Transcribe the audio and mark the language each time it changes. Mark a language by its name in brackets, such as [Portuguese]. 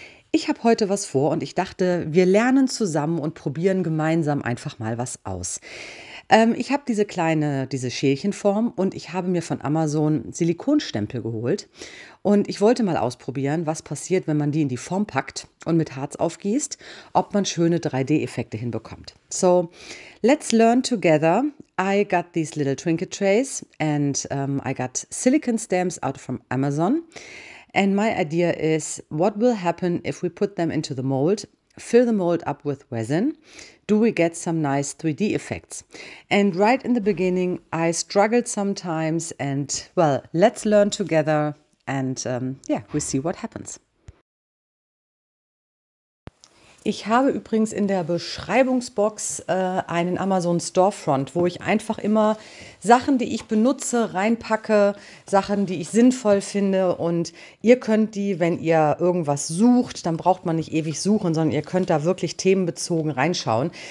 [German] Ich habe heute was vor und ich dachte, wir lernen zusammen und probieren gemeinsam einfach mal was aus. Ich habe diese Schälchenform und ich habe mir von Amazon Silikonstempel geholt. Und ich wollte mal ausprobieren, was passiert, wenn man die in die Form packt und mit Harz aufgießt, ob man schöne 3D-Effekte hinbekommt. [English] So, let's learn together. I got these little trinket trays and I got silicone stamps out from Amazon. And my idea is, what will happen if we put them into the mold, fill the mold up with resin, do we get some nice 3D effects? And right in the beginning, I struggled sometimes and, well, let's learn together and yeah, we'll see what happens. [German] Ich habe übrigens in der Beschreibungsbox einen Amazon Storefront, wo ich einfach immer Sachen, die ich benutze, reinpacke, Sachen, die ich sinnvoll finde. Und ihr könnt die, wenn ihr irgendwas sucht, dann braucht man nicht ewig suchen, sondern ihr könnt da wirklich themenbezogen reinschauen.